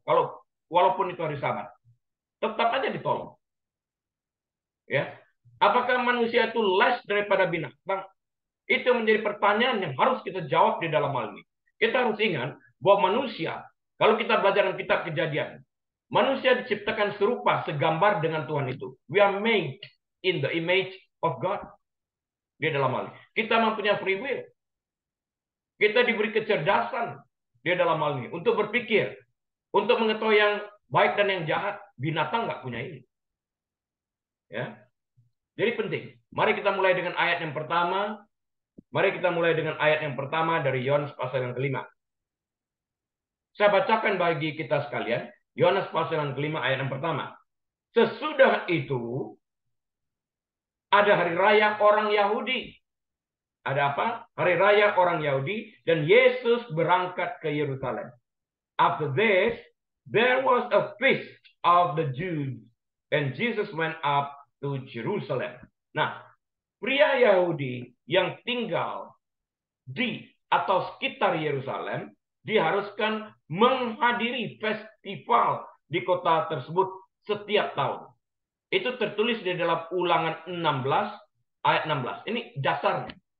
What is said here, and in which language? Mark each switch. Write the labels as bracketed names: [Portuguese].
[Indonesian] Kalau walaupun itu hari Sabat, tetap aja ditolong. Ya. Apakah manusia itu less daripada binatang? Itu menjadi pertanyaan yang harus kita jawab di dalam hal ini. Kita harus ingat bahwa manusia, kalau kita belajar dalam kitab Kejadian, manusia diciptakan serupa segambar dengan Tuhan itu. [English] We are made in the image of God. [Indonesian] Di dalam hal ini. Kita mempunyai free will. Kita diberi kecerdasan di dalam hal ini. Untuk berpikir. Untuk mengetahui yang baik dan yang jahat. Binatang nggak punya ini. Ya. Jadi penting. Mari kita mulai dengan ayat yang pertama. Mari kita mulai dengan ayat yang pertama dari Yohanes pasal yang kelima. Saya bacakan bagi kita sekalian. Yohanes pasal yang kelima ayat yang pertama. Sesudah itu, ada hari raya orang Yahudi. Ada apa? Hari raya orang Yahudi. Dan Yesus berangkat ke Yerusalem. [English] After this, there was a feast of the Jews. And Jesus went up to Jerusalem. [Indonesian] Nah, pria Yahudi yang tinggal di atau sekitar Yerusalem diharuskan menghadiri festival di kota tersebut setiap tahun. Itu tertulis di dalam Ulangan 16 ayat 16. Ini dasarnya.